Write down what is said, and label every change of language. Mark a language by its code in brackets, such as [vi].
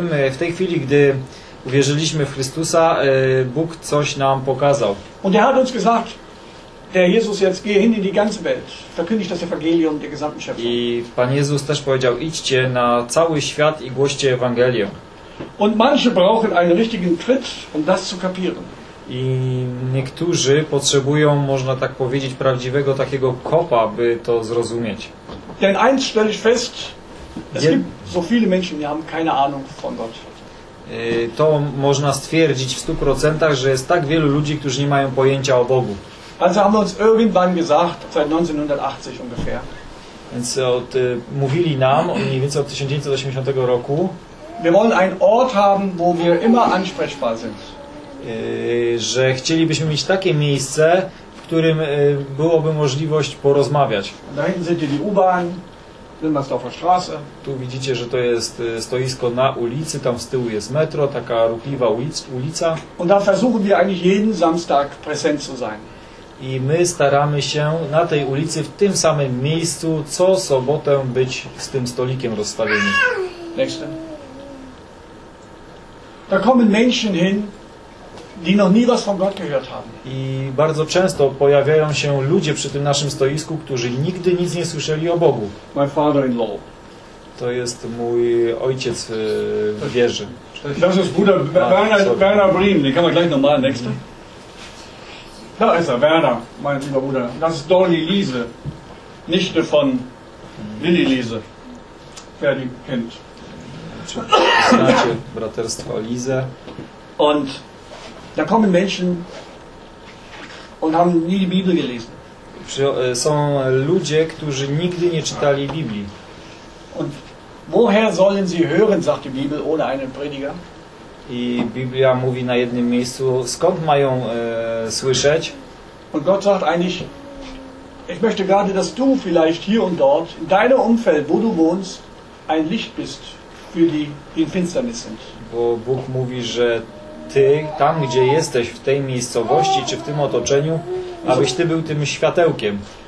[pl] W tej chwili, gdy uwierzyliśmy w Chrystusa, Bóg coś nam pokazał. [de] Und er hat uns gesagt, Herr Jesus, jetzt geh hin in die ganze Welt. Verkündig das Evangelium der gesamten Schöpfung. [pl] I Pan Jezus też powiedział, idźcie na cały świat i głoście Ewangelię. [de] Und manche brauchen einen richtigen Tritt, um das zu kapieren. [pl] I niektórzy potrzebują, można tak powiedzieć, prawdziwego takiego kopa, by to zrozumieć. [de] Denn eins stelle ich fest, es gibt so viele Menschen, die haben keine Ahnung von Gott. [pl] To można stwierdzić w 100%, że jest tak wielu ludzi, którzy nie mają pojęcia o Bogu. [de] Also haben wir uns irgendwann gesagt, seit 1980 ungefähr. [pl] Więc mówili nam mniej więcej od 1980 roku. [de] Wir wollen einen Ort haben, wo wir immer ansprechbar sind. [pl] Że chcielibyśmy mieć takie miejsce, w którym byłoby możliwość porozmawiać. [de] Da hinten seht ihr die U-Bahn, Wilmersdorfer Straße. [pl] Tu widzicie, że to jest stoisko na ulicy, tam z tyłu jest metro, taka ruchliwa ulica. [de] Und da versuchen wir eigentlich jeden Samstag präsent zu sein. [pl] I my staramy się na tej ulicy, w tym samym miejscu, co sobotę być z tym stolikiem rozstawionym. [de] Nächste. Da kommen Menschen hin, die noch nie was von Gott gehört haben. [pl] I bardzo często pojawiają się ludzie przy tym naszym stoisku, którzy nigdy nic nie słyszeli o Bogu. [en] My father-in-law. [pl] To jest mój ojciec w wierze. To jest Bruder Bernard Brim. [de] Den kann man gleich nochmal. Nächste. Da ist er, Werner, mein lieber Bruder. Das ist Dolly Liese, Nichte von Lilly Liese. Wer die kennt. [pl] Znacie braterstwo Liese. [de] Und da kommen Menschen und haben nie die Bibel gelesen. [pl] Są ludzie, którzy nigdy nie czytali Biblii. [de] Und woher sollen sie hören, sagt die Bibel, ohne einen Prediger? [pl] I Biblia mówi na jednym miejscu, skąd mają słyszeć. [de] Und Gott sagt eigentlich, ich möchte gerade, dass du vielleicht hier und dort, in deinem Umfeld, wo du wohnst, ein Licht bist für die, die in Finsternis sind. [pl] Bo Bóg mówi, że ty, tam gdzie jesteś, w tej miejscowości, czy w tym otoczeniu, abyś ty był tym światełkiem.